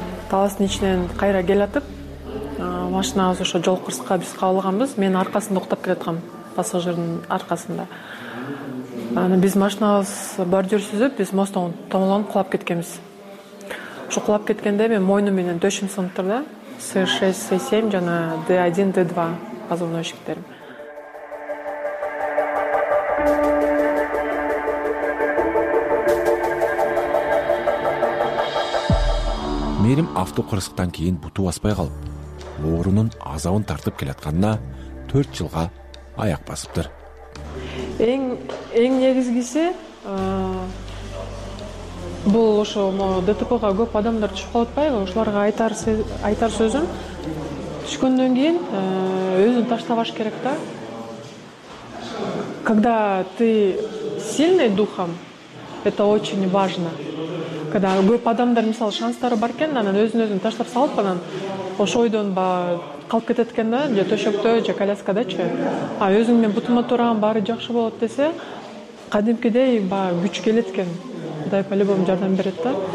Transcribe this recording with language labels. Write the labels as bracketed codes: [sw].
[ky] Таластын ичинен кайра келатып, машинабыз ошо жол кырсыкка биз кабылганбыз. Мен аркасында уктап келатам, пассажирдин аркасында. Анан биз машинабыз бордюр сүзүп, биз мосттон томолонуп кулап кеткенбиз. Ошо кулап кеткенде мен мойнум менен төшүм сынып турду да. С6, С7 жана Д1, Д2 позывной ишиктерим. Мээрим авто кырсыктан кийин буту баспай калып, оорунун азабын тартып келатканына 4 жылга аяк басыптыр. Эң негизгиси бул ошо ДТПга көп адамдар түшүп калатпайбы? Ошоларга айтар сөзүм түшкөндөн кийин өзүн таштабаш керек да. [ru] Когда ты сильный духом, это очень важно. [ky] Когда көп адамдар мисалы шанстары бар экен да, анан өзүн өзүн таштап салып анан ошойдон баягы калып кетет экен да, же төшөктө, же коляскадачы, а өзүң менен бутума турган баары жакшы болот десе, кадимкидей баягы күч келет экен, Кудай по-любому жардам берет да.